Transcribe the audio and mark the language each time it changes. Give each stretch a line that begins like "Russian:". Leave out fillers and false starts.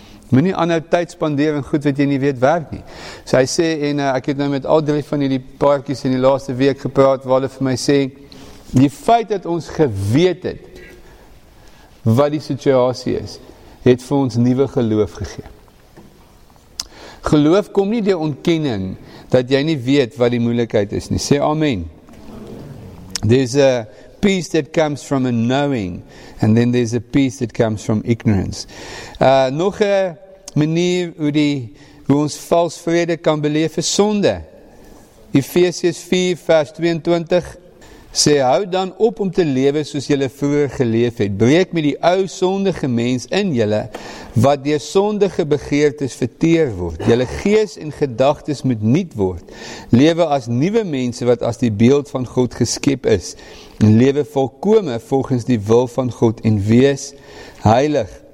Afrikaans: Moet nie ander tyd spandeer in goed wat jy nie weet werk nie. So hy sê, en ek het nou met al 3 van die paartjies in die laaste week gepraat, waar hulle vir my sê, die feit dat ons geweet het, wat die situasie is, het vir ons nuwe geloof gegee. Geloof kom nie deur ontkenning, dat jy nie weet wat die moeilikheid is nie. Sê amen.
English: There's a peace that comes from a knowing, and then there's a peace that comes from ignorance.
Afrikaans: Nog 'n manier hoe ons vals vrede kan beleef is sonde. Efesiërs 4 vers 22, sê, hou dan op om te lewe soos jylle vroeger geleef het. Breek met die ou sondige mens in jylle, wat deur sondige begeertes verteer word. Jylle gees en gedagtes moet niet word. Lewe as nuwe mense wat as die beeld van God geskep is. Lewe volkome volgens die wil van God en wees heilig.